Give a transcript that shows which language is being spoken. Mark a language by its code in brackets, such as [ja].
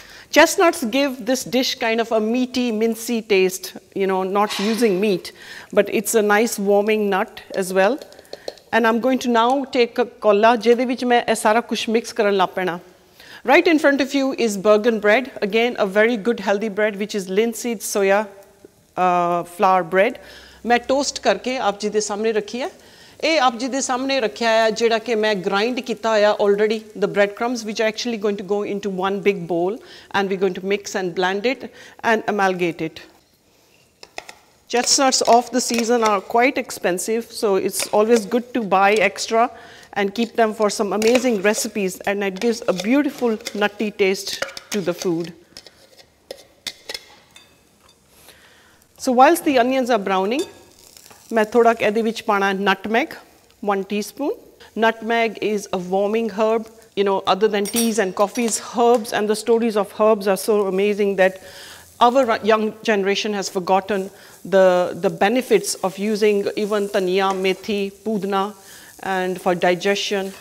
[en] Chestnuts give this dish kind of a meaty, mincy taste, you know, not using meat, but it's a nice warming nut as well. And I'm going to now take a kolla, [pa] jede vich main eh sara kuch mix karan la paina. [en] Right in front of you is bergen bread, again a very good healthy bread, which is linseed soya flour bread. [pa] Main toast karke aap ji de samne rakhi hai. ਇਹ ਆਪ ਜੀ ਦੇ ਸਾਹਮਣੇ ਰੱਖਿਆ ਆ ਜਿਹੜਾ ਕਿ ਮੈਂ ਗ੍ਰਾਇੰਡ ਕੀਤਾ ਹੋਇਆ [en] already the bread crumbs which are actually going to go into one big bowl and we going to mix and blend it and amalgamate it chestnuts of the season are quite expensive so it's always good to buy extra and keep them for some amazing recipes and it gives a beautiful nutty taste to the food so whilst the onions are browning [pa] ਮੈਂ ਥੋੜ੍ਹਾ ਕੁ ਇਹਦੇ ਵਿੱਚ ਪਾਉਣਾ [en] Nutmeg 1 teaspoon. Nutmeg is a warming herb, you know, other than teas and coffees, herbs and the stories of herbs are so amazing that our young generation has forgotten the benefits of using even taniya, methi, pudna and for digestion.